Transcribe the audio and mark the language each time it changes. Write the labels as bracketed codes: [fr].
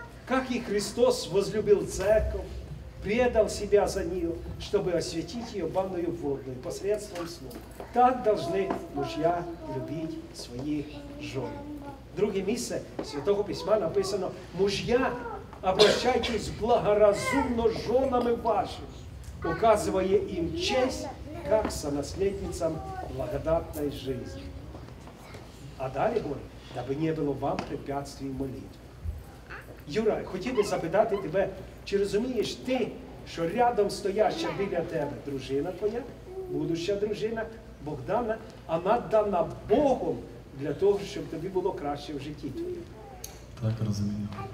[uk] Як і Христос возлюбив церков, предав себе за нею, щоб освятити її ванною водою [ru] посредством слова. [uk] Так [ru] должны [uk] мужя любити своїх жон. Друге місце Святого Письма написано. [ru] Мужя, обращайтесь благоразумно женами вашими, указывая им честь, как сонаследницам благодатной жизни. А далее говорит, дабы не было вам препятствий молитв. [uk] Юра, хотел бы запитати тебе, чи розумієш ти, що рядом стояща біля тебе дружина твоя, будуща дружина Богдана, она дана Богом для того, щоб тобі було краще в житті твоєму. Так, розумію.